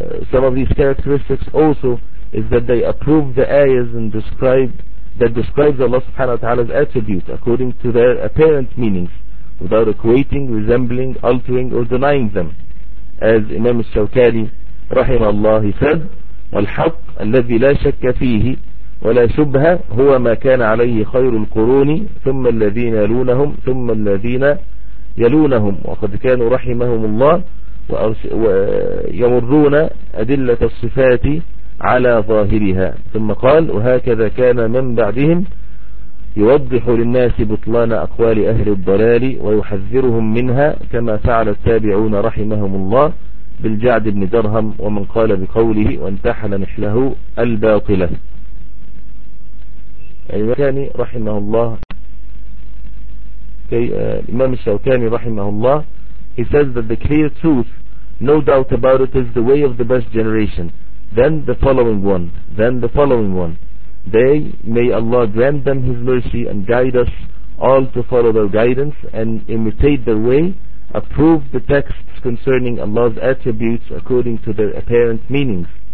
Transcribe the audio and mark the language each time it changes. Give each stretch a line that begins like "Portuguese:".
English: Some of these characteristics also is that they approve the ayahs and describe Allah subhanahu wa ta'ala's attributes according to their apparent meanings, without equating, resembling, altering, or denying them. As Imam al-Shawkani rahimahullah, he said,
Arabic: والحق الذي لا شك فيه ولا شبهة هو ما كان عليه خير القرون ثم الذين يلونهم ثم الذين يلونهم. وقد كانوا رحمهم الله ويمرون أدلة الصفات على ظاهرها، ثم قال: وهكذا كان من بعدهم يوضح للناس بطلان أقوال أهل الضلال ويحذرهم منها، كما فعل التابعون رحمهم الله بالجعد بن درهم ومن قال بقوله وانتحل نحله الباطلة. الشوكاني رحمه الله، الإمام الشوكاني رحمه الله،
English: he says that the clear truth, no doubt about it, is the way of the best generation, then the following one, then the following one. They, may Allah grant them His mercy and guide us all to follow their guidance and imitate their way, approve the texts concerning Allah's attributes according to their apparent meanings.